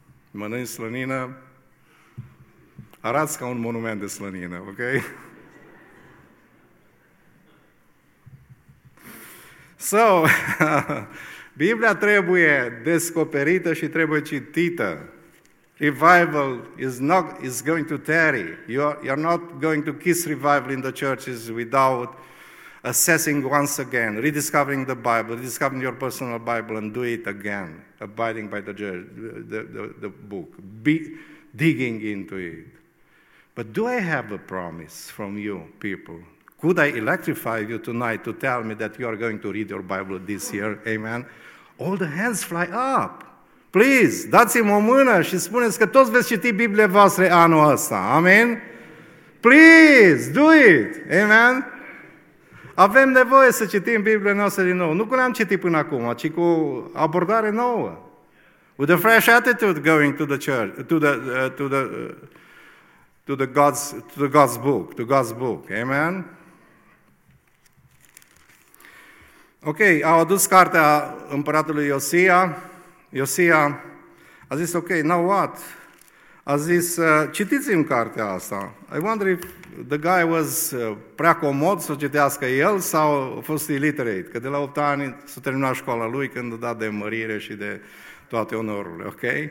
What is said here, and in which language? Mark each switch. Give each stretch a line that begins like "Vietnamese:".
Romanian: Mănânci slănină, arăți ca un monument de slănină, ok? So, Biblia trebuie descoperită și trebuie citită.
English: Revival is going to tarry. You're not going to kiss revival in the churches without assessing once again, rediscovering the Bible, rediscovering your personal Bible, and do it again, abiding by the book, digging into it. But do I have a promise from you people? Could I electrify you tonight to tell me that you are going to read your Bible this year? Amen. All the hands fly up.
Romanian: Please, dați-mi o mână și spuneți că toți veți citi Biblia voastră anul ăsta. Amen.
English: Please, do it.
Romanian: Amen. Avem nevoie să citim Biblia noastră din nou. Nu cum le-am citit până acum, ci cu abordare nouă.
English: With a fresh attitude going to the church, to God's book. Amen.
Romanian: Ok, au adus cartea împăratului Iosia. Iosia a zis, ok,
English: now what?
Romanian: A zis, citiți-mi cartea asta.
English: I wonder if the guy was
Romanian: prea comod să o citească el sau a fost illiterate, că de la 8 ani s-a terminat școala lui când a dat de mărire și de toate onorurile, ok?